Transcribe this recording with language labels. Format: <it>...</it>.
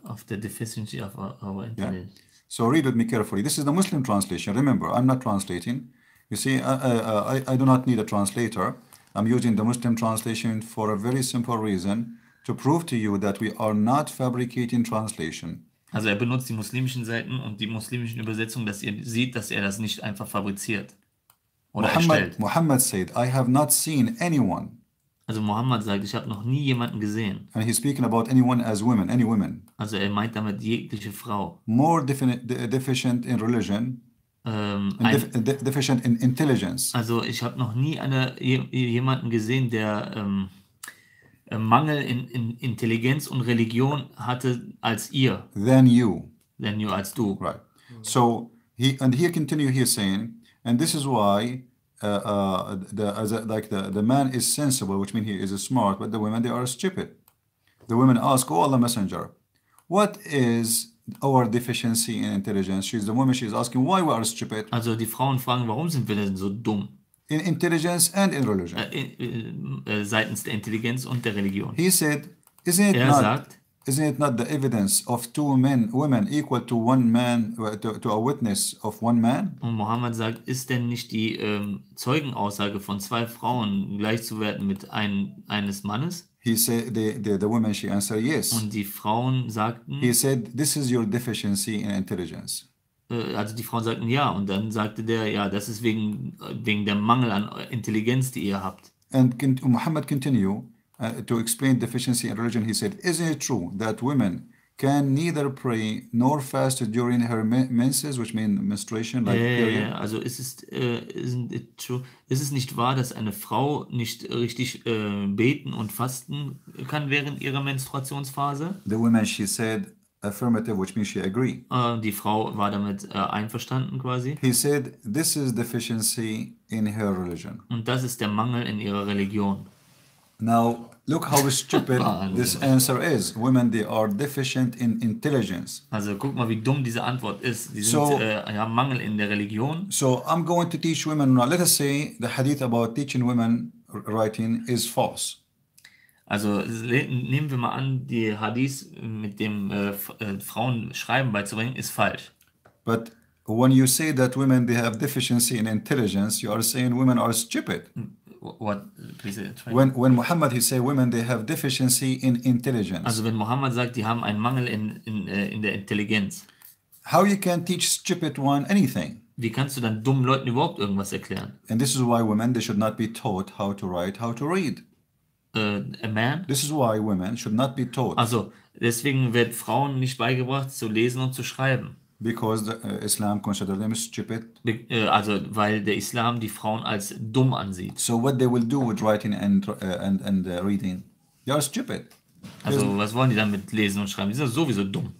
<en>Of the deficiency of our intelligence. Yeah. So read with me carefully. This is the Muslim translation. Remember, I'm not translating. You see, I do not need a translator. I'm using the Muslim translation for a very simple reason, to prove to you that we are not fabricating translation.</en> <de>Also er benutzt die muslimischen Seiten und die muslimischen Übersetzungen, dass ihr seht, dass er das nicht einfach fabriziert oder erstellt.</de> <en>Muhammad said, I have not seen anyone.</en> <de>Also Muhammad sagt, ich habe noch nie jemanden gesehen.</de> <en>And he's speaking about anyone as women, any women.</en> <de>Also er meint damit jegliche Frau.</de> <en>More deficient in religion. Deficient in intelligence.</en> <de>Also ich habe noch nie jemanden gesehen, der Mangel in Intelligenz und Religion hatte als ihr.</de> <en>Than you</en> <de>als du.</de> <en>Right. So he and he continue here saying, and this is why the man is sensible, which means he is smart, but the women they are stupid. The women ask, oh Allah Messenger, what is our deficiency in intelligence? She's the woman. She is asking why we are stupid.</en> <de>Also die Frauen fragen, warum sind wir denn so dumm?</de> <en>In intelligence and in religion.</en> <de>Seitens der Intelligenz und der Religion.</de> <en>He said, isn't it not the evidence of two men, women equal to one man, to a witness of one man?</en> <de>Und Mohammed sagt, ist denn nicht die Zeugenaussage von zwei Frauen gleichzuwerten mit eines Mannes?</de> <en>He said, the woman, she answered, yes.</en> <de>Und die Frauen sagten,</de> <en>he said, this is your deficiency in intelligence.</en> <de>Also die Frauen sagten ja und dann sagte der, ja, das ist wegen dem Mangel an Intelligenz, die ihr habt.</de> <en>And Muhammad continue to explain deficiency in religion. He said, isn't it true that women can neither pray nor fast during her menses, which means menstruation?</en> <de>Like also ist es nicht wahr, dass eine Frau nicht richtig beten und fasten kann während ihrer Menstruationsphase?</de> <en>The woman, she said, Affirmative, which means she agreed.</en> <de>Die Frau war damit einverstanden quasi.</de> <en>He said, this is deficiency in her religion.</en> <de>Und das ist der Mangel in ihrer Religion.</de> <en>Now, look how stupid this answer is. Women, they are deficient in intelligence.</en> <de>Also, guck mal, wie dumm diese Antwort ist. Die sind, haben Mangel in der Religion.</de> <en>So, I'm going to teach women, let us say, the hadith about teaching women writing is false.</en> <de>Also nehmen wir mal an, die Hadith mit dem Frauen Schreiben beizubringen, ist falsch.</de> <en>But when you say that women they have deficiency in intelligence, you are saying women are stupid. What? Please try. When Muhammad he say women they have deficiency in intelligence.</en> <de>Also wenn Muhammad sagt, die haben einen Mangel in der Intelligenz.</de> <en>How you can teach stupid one anything?</en> <de>Wie kannst du dann dummen Leuten überhaupt irgendwas erklären?</de> <en>And this is why women they should not be taught how to write, how to read. A man. This is why women should not be taught.</en> <de>Also, deswegen wird Frauen nicht beigebracht zu lesen und zu schreiben.</de> <en>Because the Islam considers them stupid.</en> <de>Also, weil der Islam die Frauen als dumm ansieht.</de> <en>So what they will do with writing and reading? They are stupid.</en> <de>Also, was wollen die dann mit lesen und schreiben? Die sind sowieso dumm.</de>